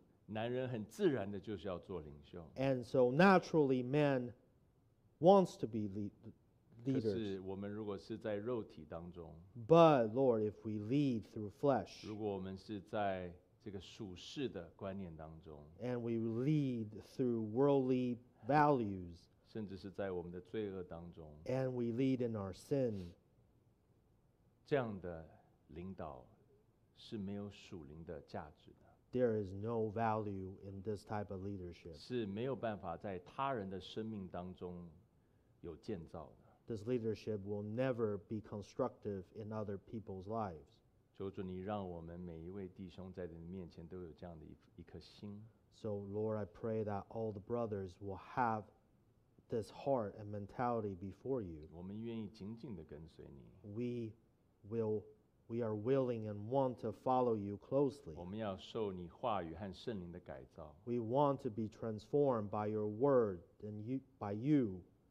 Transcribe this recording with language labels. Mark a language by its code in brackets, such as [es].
[zh] 男人很自然的就是要做领袖。 [en] And so naturally, man wants to be leaders. [zh] 可是我们如果是在肉体当中。 [en] But Lord, if we lead through flesh. [zh] 如果我们是在这个属世的观念当中。 [en] And we lead through worldly values. [zh] 甚至是在我们的罪恶当中。 [en] And we lead in our sin. [zh] 这样的领导是没有属灵的价值的。 [en] There is no value in this type of leadership. [zh] 是没有办法在他人的生命当中有建造的。 [en] This leadership will never be constructive in other people's lives. [zh] 求主你让我们每一位弟兄在你面前都有这样的一颗心。 [en] So Lord, I pray that all the brothers will have this heart and mentality before you. [zh] 我们愿意紧紧地跟随你。 [en] We are willing and want to follow you closely. [zh] 我们要受你话语和圣灵的改造。 [en] We want to be transformed by your word and by you.